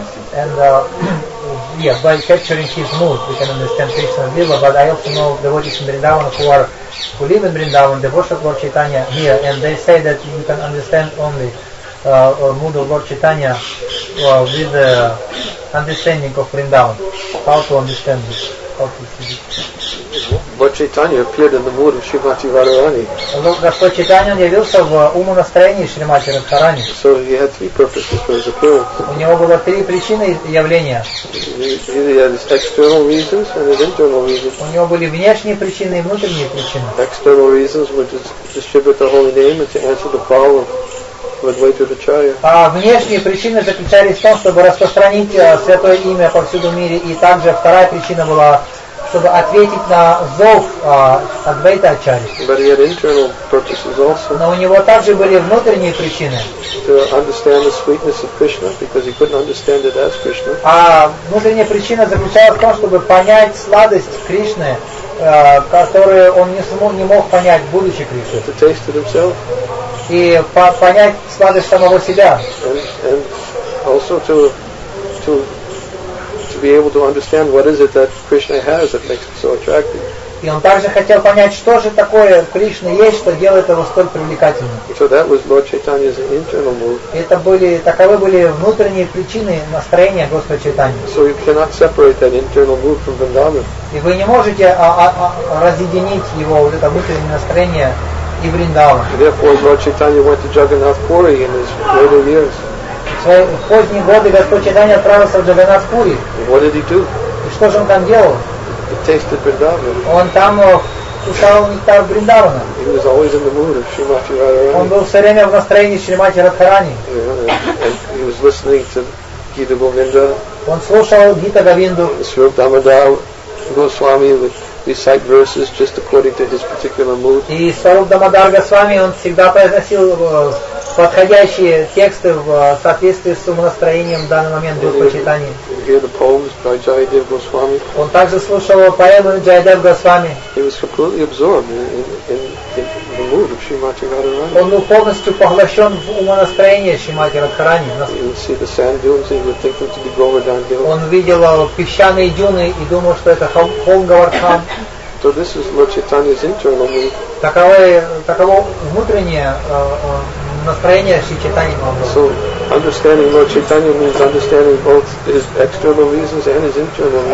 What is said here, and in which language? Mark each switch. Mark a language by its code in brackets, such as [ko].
[en] And yeah, by capturing his mood, we can understand Krishna and Lila, but I also know devotees in Vrindavan who live in Vrindavan, they worship Lord Chaitanya here, and they say that you can understand only mood of Lord Chaitanya with the understanding of Vrindavan. How to understand this? Lord Chaitanya appeared in the mood of Srimati Radharani. [ru] Господь Чайтанья явился в уму настроении Шримати Радхарани. [en] So he had three purposes for his appearance. [ru] У него было три причины явления. [en] He had his external reasons and his internal reasons. [ru] У него были внешние причины и внутренние причины. [en] External reasons were to distribute the holy name and to answer the call of Advaita Acharya. [ru] А внешние причины заключались в том, чтобы распространить святое имя повсюду в мире, и также вторая причина была, чтобы ответить на зов Адвайта Ачарьи. [en] But he had internal purposes also. [ru] Но у него также были внутренние причины. [en] To understand the sweetness of Krishna, because he couldn't understand it as Krishna. [ru] А внутренняя причина заключалась в том, чтобы понять сладость Кришны, которую он не мог понять, будучи Кришной. [en] To taste it himself. [ru] И понять сладость самого себя. [en] And also to be able to understand what is it that Krishna has that makes him so attractive. [ru] И он также хотел понять, что же такое Кришна есть, что делает его столь привлекательным. [en] So that was Lord Chaitanya's internal mood. [ru] Это были таковы были внутренние причины настроения Господа Чайтаньи. [en] So you cannot separate that internal mood from Vrindavan. [ru] И вы не можете разъединить его вот это внутреннее настроение и Вриндаван. [en] Therefore, Lord Chaitanya went to Jagannath Puri in his later years. [ru] В поздние годы Господь Чайтанья отправился в Джаганнат Пури. [en] What did he do? [ru] И что же он там делал? [en] He tasted Vrindavan. [ru] Он там кусал нектар Вриндавана. [en] He was always in the mood of Shrimati Radharani. [ru] Он был все время в настроении Шримати Радхарани. [en] Yeah, and he was listening to Gita Govinda. [ru] Он слушал Гита Говинду. [en] Swami Damodar Goswami with recite verses just according to his particular mood. [ru] И Сарвуп Дамодар Госвами, он всегда произносил подходящие тексты в соответствии с умонастроением в данный момент Господа Чайтаньи. [en] Hear the poems by Jayadev Goswami. [ru] Он также слушал поэмы Jayadev Goswami. [en] He was completely absorbed in the mood of Shrimati Radharani. [ru] Он был полностью поглощен в умонастроение Шримати Радхарани. [en] He would see the sand dunes and he would think them to be Govardhan Hill. [ru] Он видел песчаные дюны и думал, что это холм Говардхан. [en] So this is Lord Chaitanya's internal mood. [ru] Таково внутреннее настроение Шри Чайтаньи Махапрабху. [en] So understanding Lord Chaitanya means understanding both his external reasons and his internal reasons.